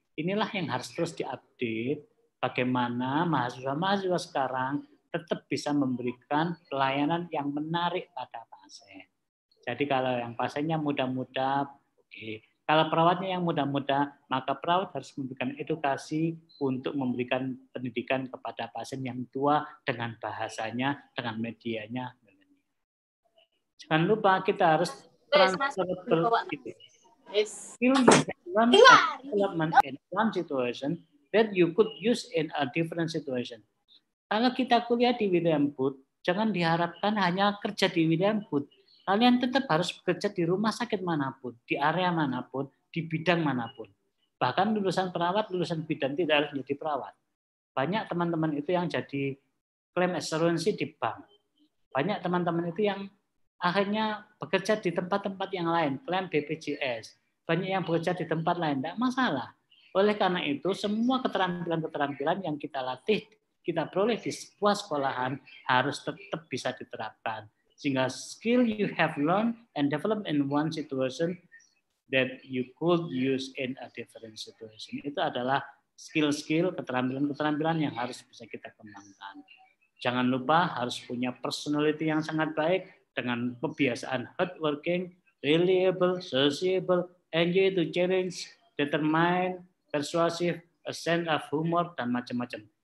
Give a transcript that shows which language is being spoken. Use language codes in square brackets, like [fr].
[id] Inilah yang harus terus diupdate, bagaimana mahasiswa-mahasiswa sekarang tetap bisa memberikan pelayanan yang menarik pada pasien. Jadi kalau yang pasiennya muda-muda, oke. Okay. Kalau perawatnya yang muda-muda, maka perawat harus memberikan edukasi untuk memberikan pendidikan kepada pasien yang tua dengan bahasanya, dengan medianya. Jangan lupa kita harus [en] transfer development in one situation that you could use in a different situation. [id] Kalau kita kuliah di William Booth, jangan diharapkan hanya kerja di William Booth. Kalian tetap harus bekerja di rumah sakit manapun, di area manapun, di bidang manapun. Bahkan lulusan perawat, lulusan bidan tidak harus jadi perawat. Banyak teman-teman itu yang jadi klaim asuransi di bank. Banyak teman-teman itu yang akhirnya bekerja di tempat-tempat yang lain, klaim BPJS. Banyak yang bekerja di tempat lain, tidak masalah. Oleh karena itu, semua keterampilan-keterampilan yang kita latih, kita peroleh di sebuah sekolahan harus tetap bisa diterapkan. sehingga [en] skill you have learned and developed in one situation that you could use in a different situation. [id] Itu adalah skill-skill, keterampilan-keterampilan yang harus bisa kita kembangkan. Jangan lupa harus punya personality yang sangat baik dengan kebiasaan [en] hardworking, reliable, sociable, enjoy to challenge, determined, persuasive, a sense of humor, [id] dan macam-macam.